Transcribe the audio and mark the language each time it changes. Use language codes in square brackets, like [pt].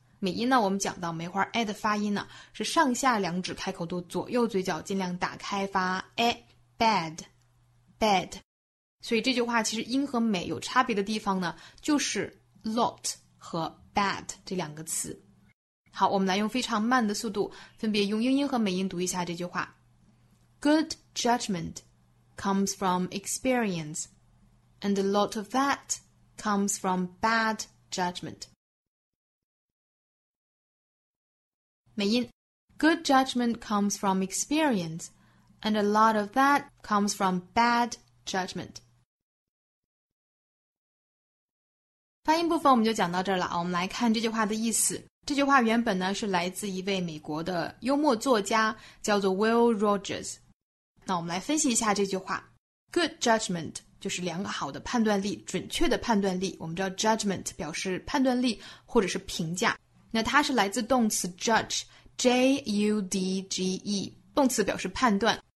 [zh] 美音呢，我们讲到梅花 a 的发音呢，是上下两指开口度左右嘴角尽量打开，发 a bad。所以这句话其实英和美有差别的地方呢，就是 lot 和 bad 这两个词。好，我们来用非常慢的速度分别用英音和美音读一下这句话。 [en] Good judgment comes from experience, and a lot of that comes from bad judgment. [zh] 美音。 [en] Good judgment comes from experience, and a lot of that comes from bad judgment. [zh] 发音部分我们就讲到这儿了，我们来看这句话的意思。这句话原本呢是来自一位美国的幽默作家，叫做 Will Rogers。那我们来分析一下这句话。 Good judgment 就是良好的判断力，准确的判断力。我们知道 judgment 表示判断力或者是评价，那它是来自动词 judge， J-U-D-G-E， 动词表示判断。